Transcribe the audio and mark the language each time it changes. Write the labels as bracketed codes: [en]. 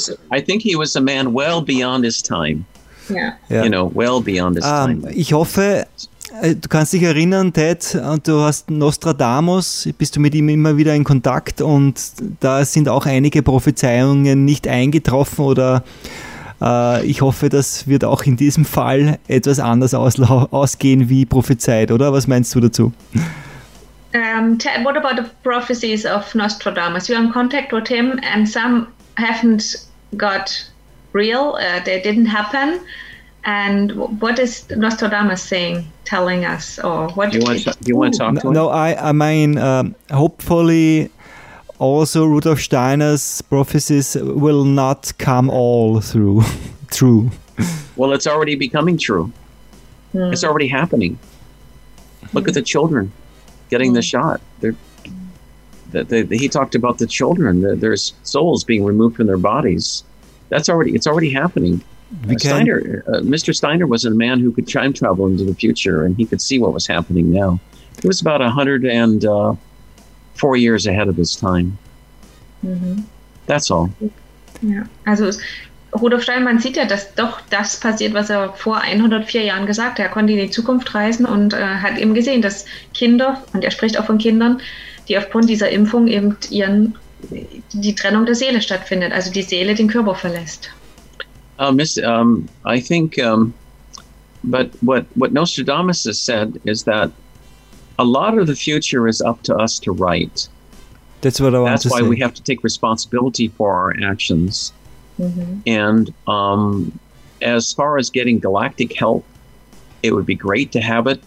[en] I think he was a man well beyond his time. Yeah. You know, well beyond his time. [de] Ich hoffe, du kannst dich erinnern, Ted, du hast Nostradamus, bist du mit ihm immer wieder in Kontakt und da sind auch einige Prophezeiungen nicht eingetroffen oder ich hoffe, das wird auch in diesem Fall etwas anders ausgehen wie prophezeit, oder? Was meinst du dazu? [en] Ted, what about the prophecies of Nostradamus? You are in contact with him and some haven't got real, they didn't happen. And what is Nostradamus saying, telling us, or what I mean, hopefully also Rudolf Steiner's prophecies will not come all through true. Well, it's already becoming true. Mm. It's already happening. Look at the children getting the shot. He talked about the children, their souls being removed from their bodies. It's already happening. Mr. Steiner was a man who could time travel into the future, and he could see what was happening now. He was about 104 years ahead of his time. Mm-hmm. That's all. Yeah. [de] Also Rudolf Steiner, man sieht ja, dass doch das passiert, was er vor 104 Jahren gesagt hat. Er konnte in die Zukunft reisen und hat eben gesehen, dass Kinder, und er spricht auch von Kindern, die aufgrund dieser Impfung eben die Trennung der Seele stattfindet, also die Seele den Körper verlässt. [en] What Nostradamus has said is that a lot of the future is up to us to write. That's what I want to say. That's why we have to take responsibility for our actions. Mm-hmm. And as far as getting galactic help, it would be great to have it.